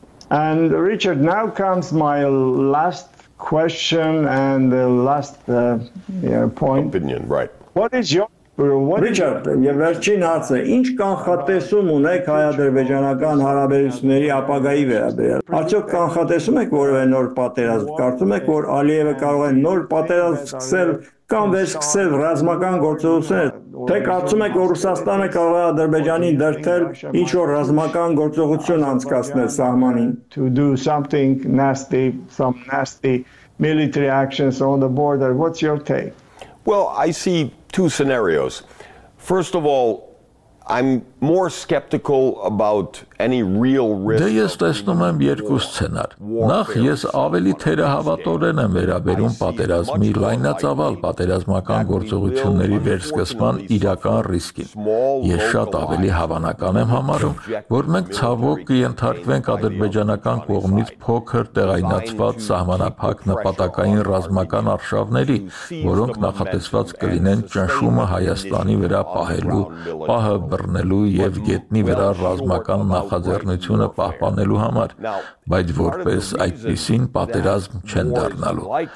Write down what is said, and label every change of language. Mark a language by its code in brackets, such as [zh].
[en] And Richard, now comes my last question and the last point. Opinion, right. What is your [hy] Richard, եւ վերջին հարցը, ինչ կանխատեսում ունեք հայ-ադրբեջանական հարաբերությունների ապագայի վերաբերյալ։ Արդյոք կանխատեսում եք որևէ նոր պատերազմ, կարծում եք, որ Ալիևը կարող է նոր պատերազմ սկսել կամ վերսկսել ռազմական գործողություններ, թե կարծում եք, որ Ռուսաստանը կարող է Ադրբեջանին դրդել ինչ որ ռազմական գործողություն անցկացնել սահմանին, [en] to do something nasty, some nasty military actions on the border? What's your take? Well, I see two scenarios. First of all, I'm more skeptical about any real risk. [hy] Դե ես տեսնում եմ երկու սցենար։ Նախ ես ավելի թերահավատորեն եմ վերաբերում պատերազմի լայնածավալ պատերազմական գործողությունների վերսկսման իրական ռիսկին։ Ես շատ ավելի հավանական եմ համարում, որ մենք ցավոք կընդարկվենք ադրբեջանական կողմից փոքր տեղայնացված սահմանափակ նպատակային ռազմական արշավների, որոնք նախատեսված կլինեն ճնշումը Հայաստանի վրա պահելու, պահը բռնելու և գետնի վրա ռազմական նախաձեռնությունը պահպանելու համար, բայց որպես այդպիսին պատերազմ չեն դառնալու։